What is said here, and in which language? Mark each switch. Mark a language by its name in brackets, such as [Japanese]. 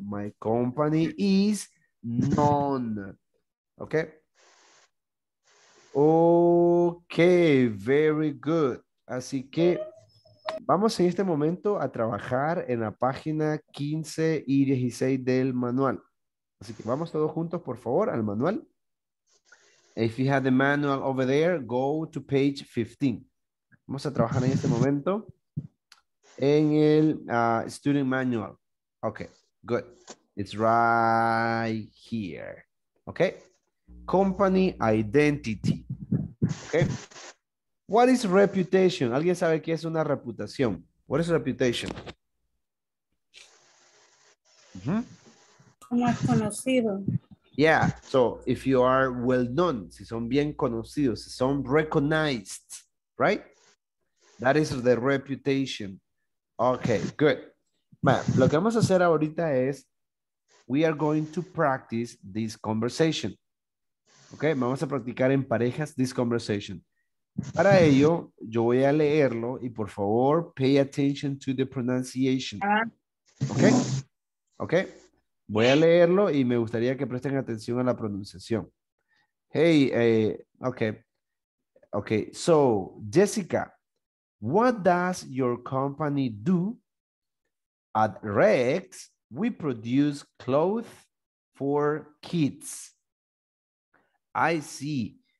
[English] My company is known. Okay. Ok, very good. [Spanish] Así que vamos en este momento a trabajar en la página 15 y 16 del manual. Así que vamos todos juntos, por favor, al manual. [English] If you have the manual over there, go to page 15. [Spanish] Vamos a trabajar en este momento en el student manual. [English] Ok, good. It's right here. Ok. Company identity. Okay. What is reputation? [Spanish] ¿Alguien sabe qué es una reputación? [English] What is reputation? [Spanish] Como es conocido. [English] Yeah, so if you are well known, [Spanish] si son bien conocidos, si son [English] recognized, right? That is the reputation. Okay, good. [Spanish] Bueno, lo que vamos a hacer ahorita es, [English] we are going to practice this conversation. [Spanish] Ok, vamos a practicar en parejas [English] this conversation. [Spanish] Para ello, yo voy a leerlo y por favor, [English] pay attention to the pronunciation. Ok, ok. [Spanish] Voy a leerlo y me gustaría que presten atención a la pronunciación. Hey, ok. [English] Ok, so, Jessica, what does your company do? At Rex, we produce clothes for kids. I see.